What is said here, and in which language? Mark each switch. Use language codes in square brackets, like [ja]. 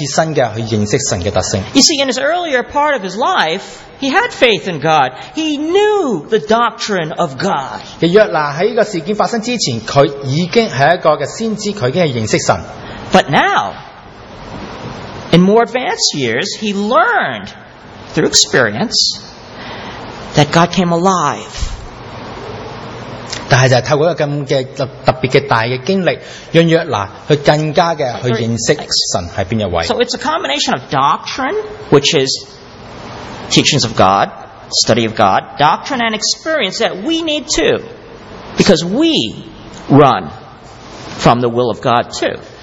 [zh] 但其實約拿已經是很多,他已經之前很多年,他已經有侍奉神,他已經認識神,但他再一次新的去認識神的特性。 [en] You see, in his earlier part of his life, he had faith in God. He knew the doctrine of God. [zh] 約拿在這個事件發生之前,他已經是一個先知,他已經認識神。 [en] But now, in more advanced years, he learned through experience that God came alive. [zh] 但是就是透過一個特別的大的經歷,讓約拿更加的去認識神是哪一位。 [en] So it's a combination of doctrine, which is teachings of God, study of God, doctrine and experience that we need too, because we run from the will of God too.